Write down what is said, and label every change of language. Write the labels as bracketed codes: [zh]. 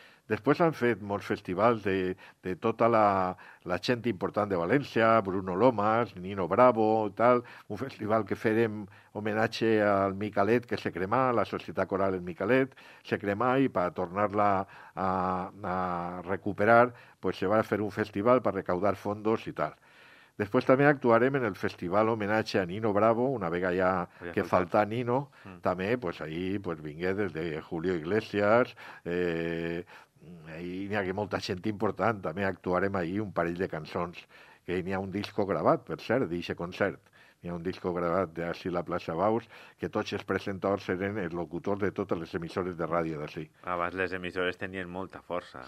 [ca] Després han fet molts festivals de tota la gent important de València, Bruno Lomas, Nino Bravo, tal, un festival que farem homenatge al Micalet, que se crema, la Societat Coral del Micalet, se crema, i per tornar-la a recuperar, [es] pues se va a fer un festival per recaudar fondos [ca] i tal. [es] Después también actuaré en el festival homenaje a Nino Bravo, una vega ya que falta Nino. También, pues ahí, pues vingué desde Julio Iglesias. [ca] Ahí n'hi ha molta gent important. També actuarem ahí un parell de cançons. Que n'hi ha un disco gravat, per cert, d'eixe concert. N'hi ha un disco gravat d'ací la plaça Baus, que tots els presentadors eren els locutors de totes les emissores de ràdio d'ací. Abans les emissores tenien molta força.